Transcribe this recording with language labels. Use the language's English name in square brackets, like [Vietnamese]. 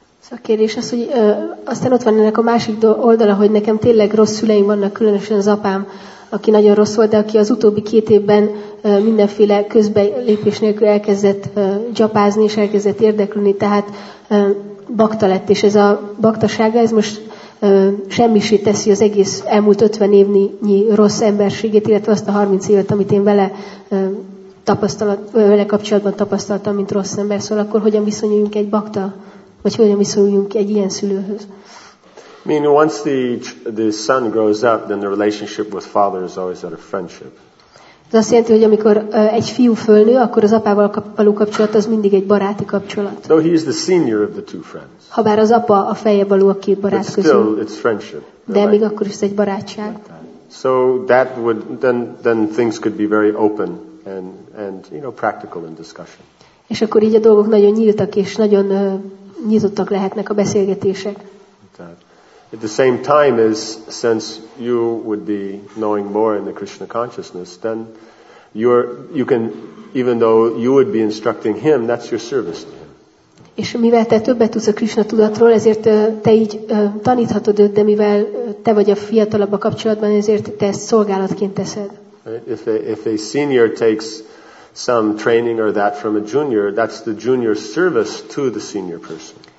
[Hungarian] A kérdés az, hogy aztán ott van ennek a másik oldala, hogy nekem tényleg rossz szüleim vannak, különösen az apám, aki nagyon rossz volt, de aki az utóbbi két évben mindenféle közbelépés nélkül elkezdett gyapázni és elkezdett érdeklődni, tehát bakta lett, és ez a baktasága, ez most semmisé teszi az egész elmúlt 50 évnyi rossz emberségét, illetve azt a 30 évet, amit én vele kapcsolatban tapasztaltam, mint rossz ember. Szóval akkor hogyan viszonyuljunk egy bakta? Vagy hogyan viszonyuljunk egy ilyen szülőhöz? [English] I mean, once the son grows up, then the relationship with father is always at a friendship. [Hungarian] Ez azt jelenti, hogy amikor egy fiú fölnő, akkor az apával való kapcsolat az mindig egy baráti kapcsolat. [English] Though he is the senior of the two friends. [Hungarian] Habár az apa a feljebb való a két barát közül. [English] Still, it's friendship. [Hungarian] De még akkor is egy barátság. [English] So that would then things could be very open and you know practical in discussion. [Hungarian] És akkor így a dolgok nagyon nyíltak és nagyon nyitottak lehetnek a beszélgetések. [English] At the same time is, since you would be knowing more in the Krishna consciousness, then you can, even though you would be instructing him, that's your service to him. [Hungarian] És mivel te többet tudsz a Krishna tudatról, ezért te így taníthatod őt, de mivel te vagy a fiatalabb a kapcsolatban, ezért te ezt szolgálatként teszed. [English] If a senior takes some training or that from a junior, that's the junior service to the senior person.